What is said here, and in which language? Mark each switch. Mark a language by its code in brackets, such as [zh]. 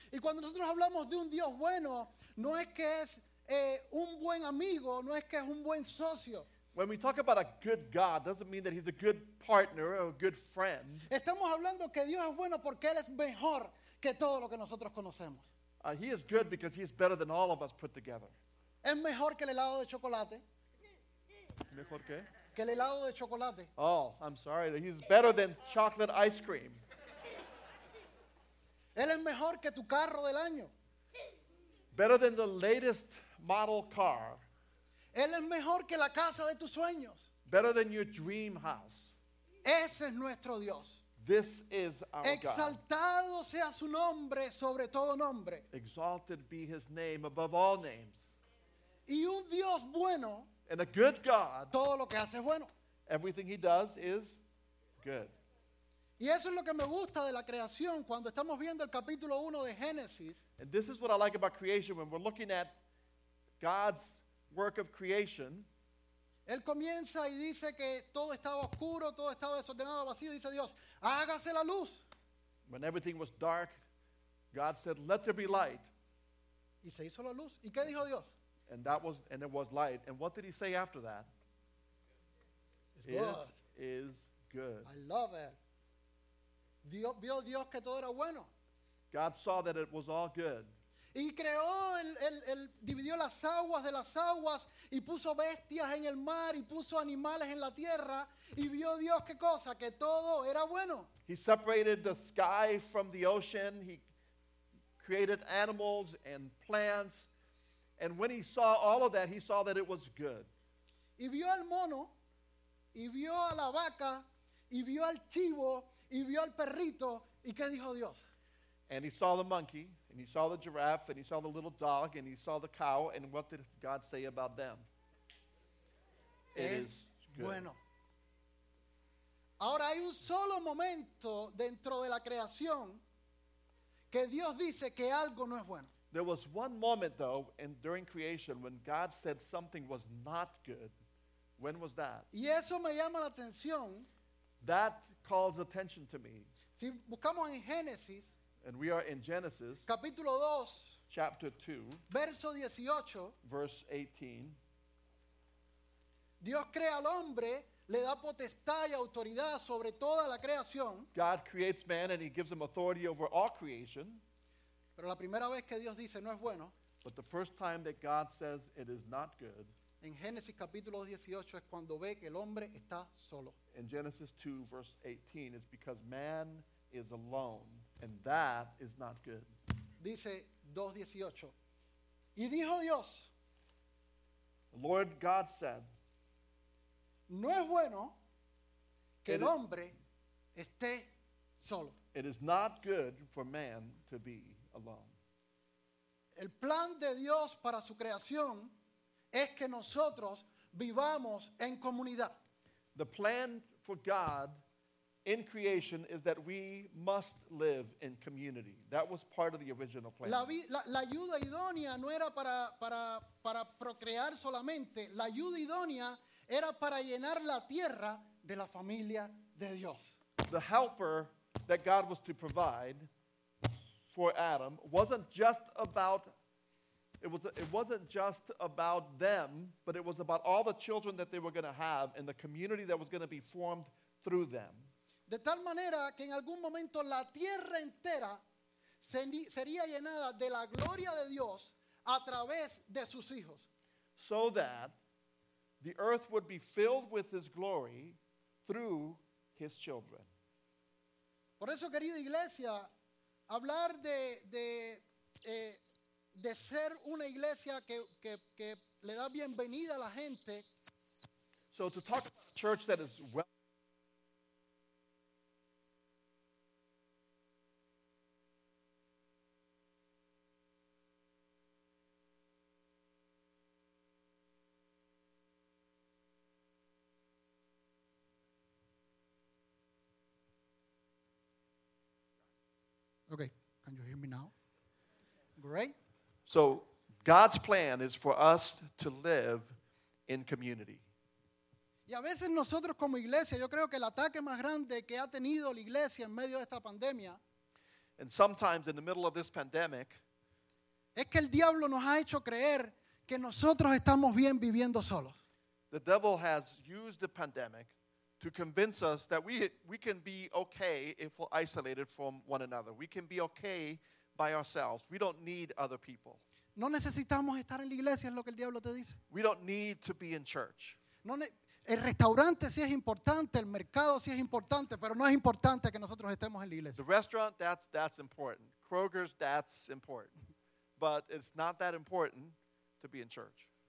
[es] Y cuando nosotros hablamos de un Dios bueno, no es que es un buen amigo, no es que es un buen socio. [en] When we talk about a good God, doesn't mean that he's a good partner or a good friend. [es] Estamos hablando que Dios es bueno porque él es mejor que todo lo que nosotros conocemos. [en] He is good because he is better than all of us put together. [es] Es mejor que el helado de chocolate. ¿Mejor qué? Que el helado de chocolate. [en] Oh, I'm sorry. He's better than chocolate ice cream. [es] Él es mejor que tu carro del año. [en] Better than the latest model car. [es] Él es mejor que la casa de tus sueños. [en] Better than your dream house. [es] Ese es nuestro Dios. [en] This is our [es] Exaltado [en] God. [es] Sea su nombre sobre todo nombre. [en] Exalted be his name above all names. [es] Y un Dios bueno. [en] And a good God. [es] Todo lo que hace es bueno. [en] Everything he does is good. [es] Y eso es lo que me gusta de la creación cuando estamos viendo el capítulo 1 de Génesis. [en] And this is what I like about creation when we're looking at God's work of creation. [es] Él comienza y dice que todo estaba oscuro, todo estaba desordenado, vacío. Dice Dios, hágase la luz. [en] When everything was dark, God said, let there be light. [es] Y se hizo la luz. ¿Y qué dijo Dios? [en] And that was, and it was light. And what did he say after that? It's good. It is good. I love it. [es] Dios, vio Dios que todo era bueno. [en] God saw that it was all good. [es] Y creó, el dividió las aguas de las aguas y puso bestias en el mar y puso animales en la tierra y vio Dios qué cosa, que todo era bueno. [en] He separated the sky from the ocean. He created animals and plants. And when he saw all of that, he saw that it was good. [es] Y vio al mono, y vio a la vaca, y vio al chivo, y vio al perrito, ¿y qué dijo Dios? [en] And he saw the monkey, and he saw the giraffe, and he saw the little dog, and he saw the cow, and what did God say about them? [es] Es bueno. Ahora hay un solo momento dentro de la creación que Dios dice que algo no es bueno. [en] There was one moment, though, in, during creation when God said something was not good. When was that? [es] Y eso me llama la atención. [en] That calls attention to me. [es] Si buscamos en Génesis, [en] and we are in Genesis, [es] capítulo 2, [en] chapter 2, [es] verso 18, [en] verse 18. [es] Dios crea al hombre, le da potestad y autoridad sobre toda la creación. [en] God creates man and he gives him authority over all creation. [es] Pero la primera vez que Dios dice no es bueno. [en] But the first time that God says it is not good. [es] En Génesis capítulo 18 es cuando ve que el hombre está solo. [en] In Genesis 2 verse 18 it's because man is alone and that is not good. [es] Dice 2:18. Y dijo Dios. [en] The Lord God said. [es] No es bueno que el hombre esté solo. [en] It is not good for man to be alone. [es] El plan de Dios para su creación es que nosotros vivamos en comunidad. [en] The plan for God in creation is that we must live in community. That was part of the original plan. [es] La ayuda idónea no era para procrear solamente. La ayuda idónea era para llenar la tierra de la familia de Dios. [en] The helper that God was to provide for Adam wasn't just about them, but it was about all the children that they were going to have and the community that was going to be formed through them. [es] De tal manera que en algún momento la tierra entera sería llenada de la gloria de Dios a través de sus hijos. [en] So that the earth would be filled with his glory through his children. [es] Por eso, querida iglesia, hablar de ser una iglesia que le da bienvenida a la gente. [en] So to talk about a church that is well. Okay, can you hear me now? Great. So God's plan is for us to live in community. [es] Y a veces nosotros como iglesia, yo creo que el ataque más grande que ha tenido la iglesia en medio de esta pandemia. [en] And sometimes in the middle of this pandemic. [es] Es que el diablo nos ha hecho creer que nosotros estamos bien viviendo solos. [en] The devil has used the pandemic to convince us that we can be okay if we're isolated from one another. We can be okay by ourselves. We don't need other people. [es] No necesitamos estar en la iglesia, es lo que el diablo te dice. [en] We don't need to be in church. [es] No, el restaurante sí es importante, el mercado sí es importante, pero no es importante que nosotros estemos en la iglesia. [en] The restaurant, that's important. Kroger's, that's important. But it's not that important to be in church.